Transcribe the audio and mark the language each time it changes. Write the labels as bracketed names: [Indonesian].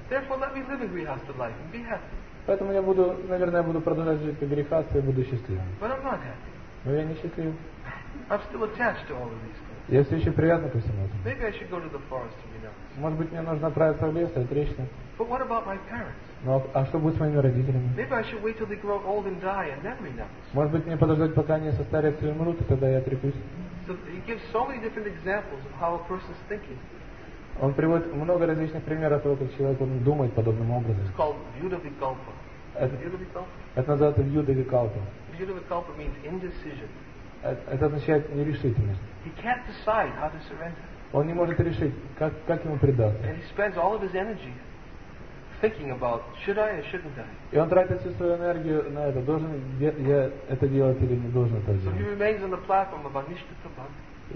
[English] Therefore, let me live a grihastha life and be happy. [Russian] Поэтому я буду, наверное, я буду продолжать жить как грихастха и буду счастливым. [English] But I'm not happy. [Russian] Но я не счастлив. [English] I'm still attached to all of these things. [Russian] Я все еще привязан ко всему этому. [English] Maybe I should go to the forest to renounce. [Russian] Может быть, мне нужно отправиться в лес и отречься. [English] But what about my parents? [Russian] Но а что будет с моими родителями? [English] Maybe I should wait till they grow old and die and then renounce. [Russian] Может быть, мне подождать, пока они состарятся и умрут, и тогда я отрекусь. [English] So he gives so many different examples of how a person's thinking. [Russian] Он приводит много различных примеров того, как человек он думает подобным образом. [English] It's called Vyudhavikalpa. [Russian] Это называется Vyudhavikalpa. [English] Vyudhavikalpa means indecision. [Russian] Это означает нерешительность. [English] He can't decide how to surrender. [Russian] Он не может решить, как ему предаться. [English] And he spends all of his energy thinking about should I or shouldn't I. [Russian] И он тратит всю свою энергию на это. Должен я это делать или не должен это делать? [English] So he remains on the platform of anishtha bhakti.